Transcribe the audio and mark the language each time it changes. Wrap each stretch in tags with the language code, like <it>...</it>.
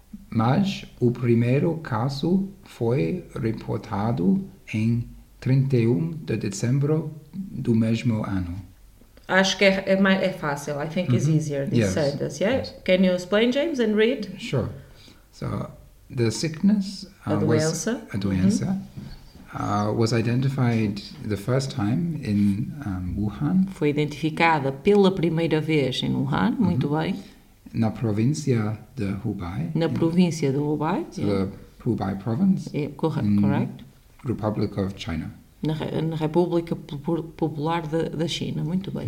<pt>Mas o primeiro caso foi reportado em 31 de dezembro do mesmo ano. Acho que é fácil.</pt> <en>I think it's easier this yes. sentence. Yeah. Yes. Can you explain, James, and read? Sure. So, the sickness</en> <pt>a doença</pt> <en>was identified the first time in Wuhan.</en> <pt>Foi identificada pela primeira vez em Wuhan. Mm-hmm. Muito bem. Na província de Hubei. Na província de Hubei. Yeah.</pt> <en>The Hubei province. Yeah, correct. Republic of China.</en> <pt>Na República Popular da China, muito bem.</pt>